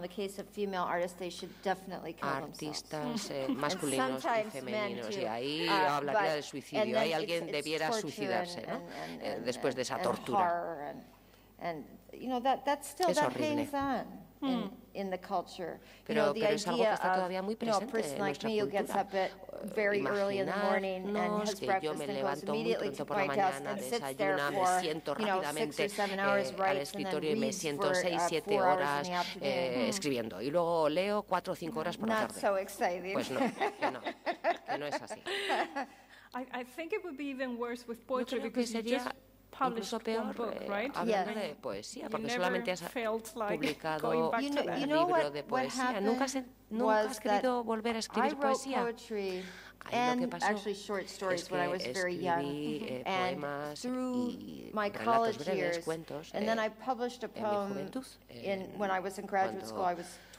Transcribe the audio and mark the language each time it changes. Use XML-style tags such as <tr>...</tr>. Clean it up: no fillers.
<en>In the case of female artists, they should definitely kill themselves.</en> <es>Artistas masculinos y femeninos. Y ahí hablaría del suicidio. Ahí alguien debiera suicidarse, ¿no? Después de esa tortura.</es> <en>And you know, that still hangs on in the culture.</en> <es>Pero,</es> <en>you know, the idea of, you know, a person like me who gets up at very early in the morning and has breakfast and goes immediately to my desk and sits there for, you know, 6 or 7 hours writing and then reads for 4 hours in the afternoon.</en> <es>Escribiendo. Y luego leo 4 o 5 horas por la tarde.</es> <en>Not so exciting.</en> <es>Pues no, que no es así.</es> <en>I think it would be even worse with poetry because you just...</en> <es>Incluso peor, hablando de poesía, porque solamente has publicado un libro de poesía. ¿Nunca has querido volver a escribir poesía?</es> <en>And actually short stories when I was very young, and through my college years, and then I published a poem when I was in graduate school, I was</en>